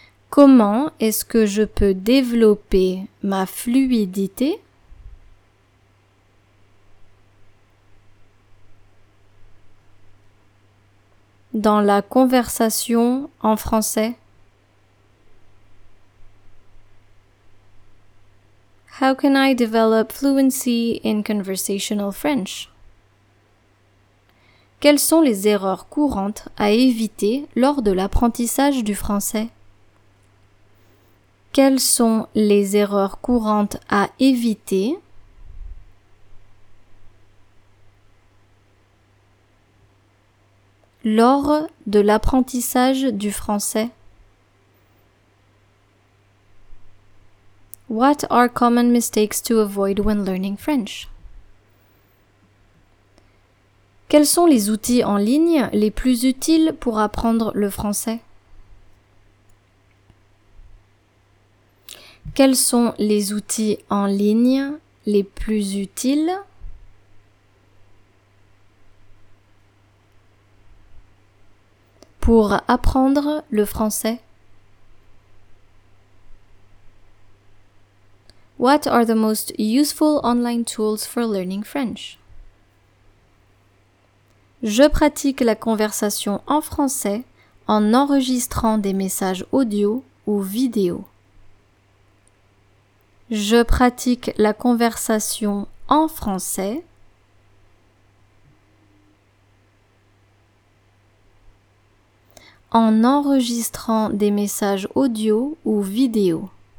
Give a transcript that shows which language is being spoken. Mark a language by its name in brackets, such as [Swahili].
[French] Comment est-ce que je peux développer ma fluidité dans la conversation en français? [English] How can I develop fluency in conversational French? [French] Quelles sont les erreurs courantes à éviter lors de l'apprentissage du français? Quelles sont les erreurs courantes à éviter lors de l'apprentissage du français? [English] What are common mistakes to avoid when learning French? [French] Quels sont les outils en ligne les plus utiles pour apprendre le français? Quels sont les outils en ligne les plus utiles pour apprendre le français? [English] What are the most useful online tools for learning French? [French] Je pratique la conversation en français en enregistrant des messages audio ou vidéo. Je pratique la conversation en français en enregistrant des messages audio ou vidéo.